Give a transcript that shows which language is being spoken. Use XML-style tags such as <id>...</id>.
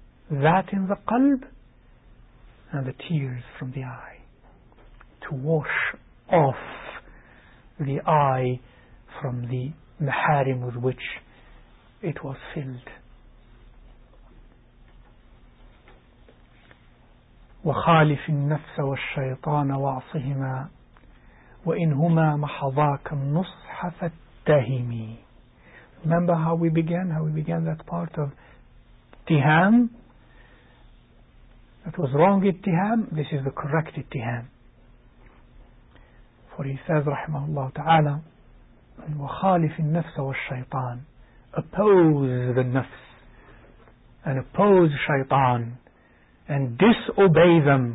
<en>That in the qalb, and the tears from the eye. To wash off the eye from the maharim with which it was filled.</en> <ar>وخالف النفس والشيطان وعصهما وإنهما محضاك النصح فاتهمي.</ar> <en>Remember how we began? How we began that part of اتهام? That was wrong اتهام. This is the correct اتهام. For he says,</en> <ar>رحمه الله تعالى, وخالف النفس والشيطان.</ar> <en>Oppose the nafs and oppose shaitan and disobey them.</en>